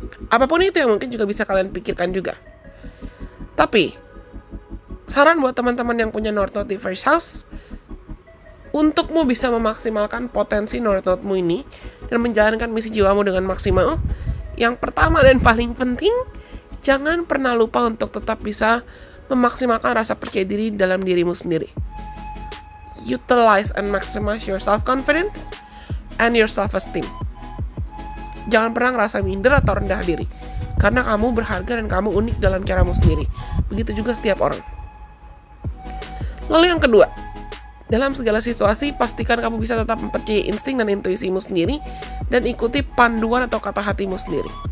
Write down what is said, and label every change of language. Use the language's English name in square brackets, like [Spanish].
[Indonesian] Apapun itu yang mungkin juga bisa kalian pikirkan juga. Tapi, saran buat teman-teman yang punya North Node First House, untukmu bisa memaksimalkan potensi North Node-mu ini dan menjalankan misi jiwamu dengan maksimal, yang pertama dan paling penting, jangan pernah lupa untuk tetap bisa memaksimalkan rasa percaya diri dalam dirimu sendiri. [English] Utilize and maximize your self-confidence and your self-esteem. [Indonesian] Jangan pernah ngerasa minder atau rendah diri, karena kamu berharga dan kamu unik dalam caramu sendiri. Begitu juga setiap orang. Lalu yang kedua, dalam segala situasi, pastikan kamu bisa tetap mempercayai insting dan intuisimu sendiri dan ikuti panduan atau kata hatimu sendiri.